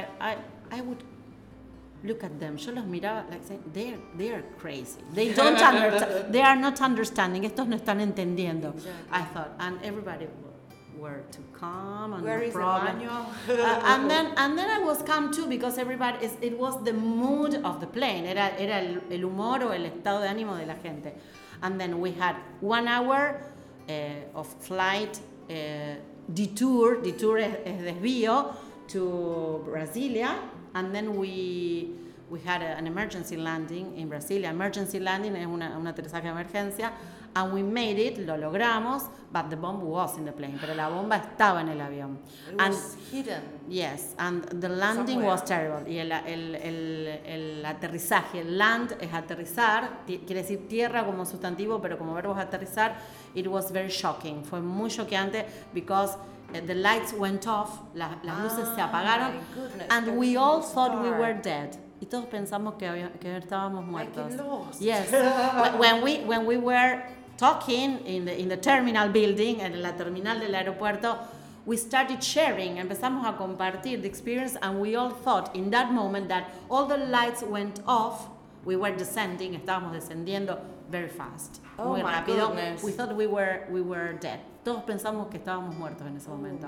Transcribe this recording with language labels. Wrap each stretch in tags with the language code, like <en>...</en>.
<en>I would look at them.</en> <es>Yo los miraba,</es> <en>like saying, they are crazy. They don't understand. They are not understanding.</en> <es>Estos no están entendiendo.</es> <en>Exactly. I thought, and everybody were too calm and where no is problem. The and then I was calm too, because everybody is. It was the mood of the plane.</en> <es>Era el humor o el estado de ánimo de la gente.</es> <en>And then we had 1 hour of flight detour. Detour</en> <es>es desvío</es> <en>to Brasilia. And then we had an emergency landing in Brasilia. Emergency landing</en> <es>es un aterrizaje de emergencia.</es> <en>And we made it,</en> <es>lo logramos,</es> <en>but the bomb was in the plane.</en> <es>Pero la bomba estaba en el avión.</es> <en>It was hidden. Yes, and the landing somewhere. Was terrible.</en> <es>Y el aterrizaje, el land es aterrizar, quiere decir tierra como sustantivo, pero como verbo es aterrizar,</es> <en>it was very shocking.</en> <es>Fue muy choqueante,</es> <en>because the lights went off,</en> <es>las luces se apagaron,</es> <en>and we all thought we were dead.</en> <es>Y todos pensamos que estábamos muertos.</es> <en>Like lost. Yes. when we were talking in the terminal building,</en> <es>en la terminal del aeropuerto,</es> <en>we started sharing,</en> <es>empezamos a compartir</es> <en>the experience, and we all thought in that moment that all the lights went off, we were descending,</en> <es>estábamos descendiendo</es> <en>very fast. Oh,</en> <es>muy</es> <en>my</en> <es>rápido.</es> <en>Goodness. We thought we were dead.</en> <es>Todos pensamos que estábamos muertos en ese momento.</es>